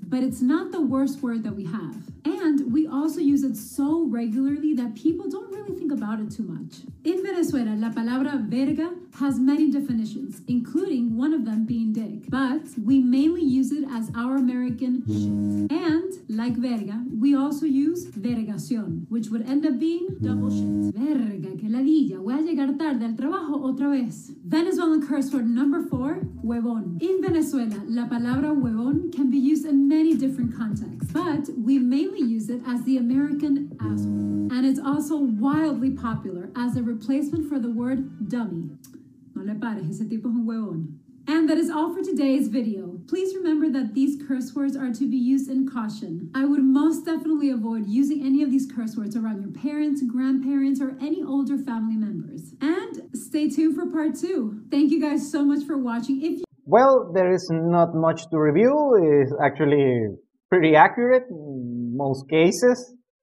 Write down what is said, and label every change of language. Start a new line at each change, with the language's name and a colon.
English: But it's not the worst word that we have. And we also use it so regularly that people don't really think about it too much. In Venezuela,
Spanish: la palabra verga
English: has many definitions, including one of them being dick. But we mainly use it as our American shit. And like verga, we also use vergación, which would end up being double shit.
Spanish: Verga, que ladilla, voy a llegar tarde al trabajo otra vez.
English: Venezuelan curse word number four, huevón. In Venezuela,
Spanish: la palabra huevón
English: can be used in many different contexts, but we mainly use it as the American asshole. And it's also wildly popular as a replacement for the word dummy.
Spanish: No le pares, ese tipo es un huevón.
English: And that is all for today's video. Please remember that these curse words are to be used in caution. I would most definitely avoid using any of these curse words around your parents, grandparents, or any older family members. And stay tuned for part two. Thank you guys so much for watching. Well, there is not much to review. It's actually pretty accurate in most cases.